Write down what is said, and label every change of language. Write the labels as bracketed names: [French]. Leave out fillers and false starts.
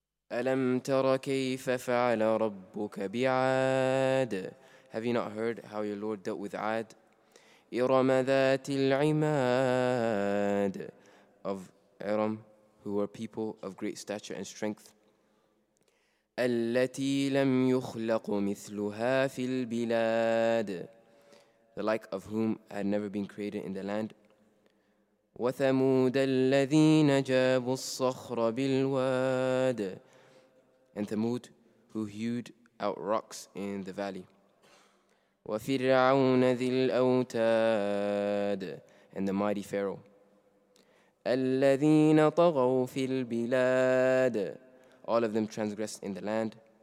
[Arabic] أَلَمْ تَرَ كَيْفَ فَعَلَ رَبُّكَ بِعَادٍ. [English] Have you not heard how your Lord dealt with Ad? [Arabic] إِرَمَ ذَاتِ الْعِمَادِ. [English] Of Iram, who were people of great stature and strength. [Arabic] التي لم يخلق مثلها في البلاد. [English] The like of whom had never been created in the land. [Arabic] وثمود الذين جابوا الصخر بالواد. [English] And Thamud, who hewed out rocks in the valley. [Arabic] وفرعون ذي الأوتاد. [English] And the mighty Pharaoh. [Arabic] الذين طغوا في البلاد. [English] All of them transgressed in the land.